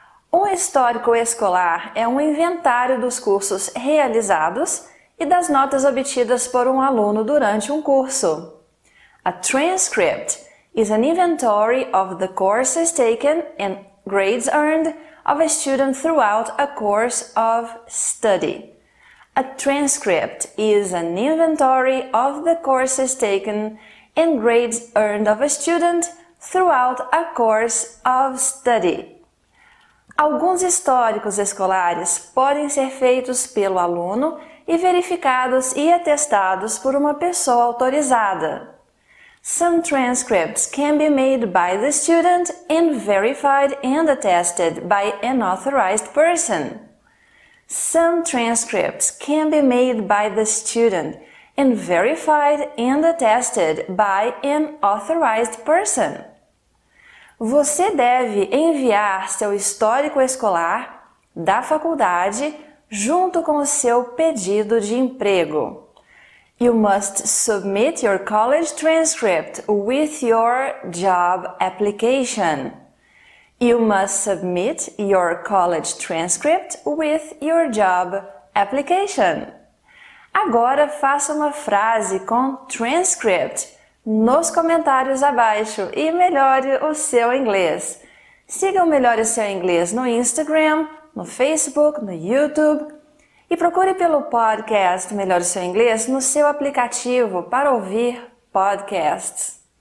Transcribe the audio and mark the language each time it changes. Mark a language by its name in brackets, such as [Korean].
[Portuguese] O histórico escolar é um inventário dos cursos realizados e das notas obtidas por um aluno durante um curso. [English] A transcript is an inventory of the courses taken and grades earned of a student throughout a course of study. A transcript is an inventory of the courses taken and grades earned of a student throughout a course of study. [Portuguese] Alguns históricos escolares podem ser feitos pelo aluno e verificados e atestados por uma pessoa autorizada. [English] Some transcripts can be made by the student and verified and attested by an authorized person. Some transcripts can be made by the student and verified and attested by an authorized person. [Portuguese] Você deve enviar seu histórico escolar da faculdade junto com o seu pedido de emprego. [English] You must submit your college transcript with your job application. You must submit your college transcript with your job application. [Portuguese] Agora faça uma frase com transcript nos comentários abaixo e melhore o seu inglês. Siga o Melhore o Seu Inglês no Instagram, no Facebook, no YouTube e procure pelo podcast Melhore o Seu Inglês no seu aplicativo para ouvir podcasts.